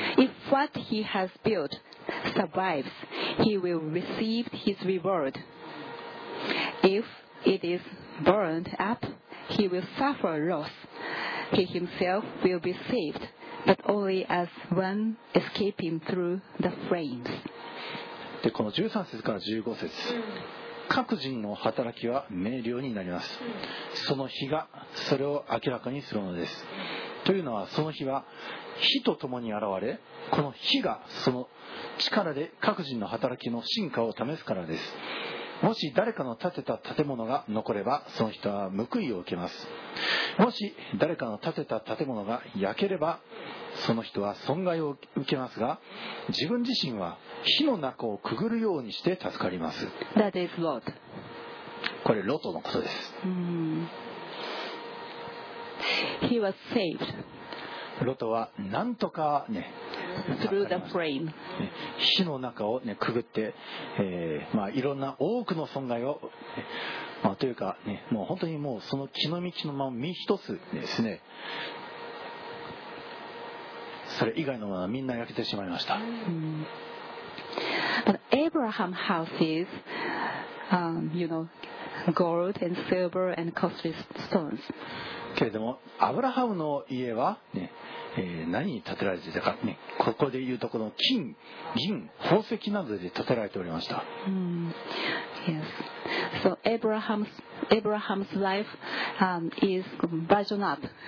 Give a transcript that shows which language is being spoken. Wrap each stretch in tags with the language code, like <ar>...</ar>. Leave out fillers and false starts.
<en>If what he has built survives, he will receive his reward. If it is burned up, he will suffer loss. He himself will be saved, but only as one escaping through the flames.</en> <ja>で、この13節から15節。各人の働きは明瞭になります。その日がそれを明らかにするのです。というのはその日は火とともに現れ、この火がその力で各人の働きの進化を試すからです。もし誰かの建てた建物が残れば、その人は報いを受けます。もし誰かの建てた建物が焼ければ、その人は損害を受けますが、自分自身は火の中をくぐるようにして助かります。</ja> <en>That is Lot.</en> <ja>これロトのことです。</ja> <en>He was saved.</en> <ja>ロトはなんとか、ね、</ja> <en>Through the flame.</en> <ja>火の中を、ね、くぐって、まあ、いろんな多くの損害を、まあ、というか、ね、もう本当にもうその気の道のまま身一つですね、それ以外のものはみんな焼けてしまいました。</ja> <en>Abraham houses, you know, gold and silver and costly stones.</en> <ja>けれどもアブラハムの家は、ね、何に建てられていたか、ね、ここで言うとこの金銀宝石などで建てられておりました。</ja> <en>Yes. So Abraham's life, is version up.</en>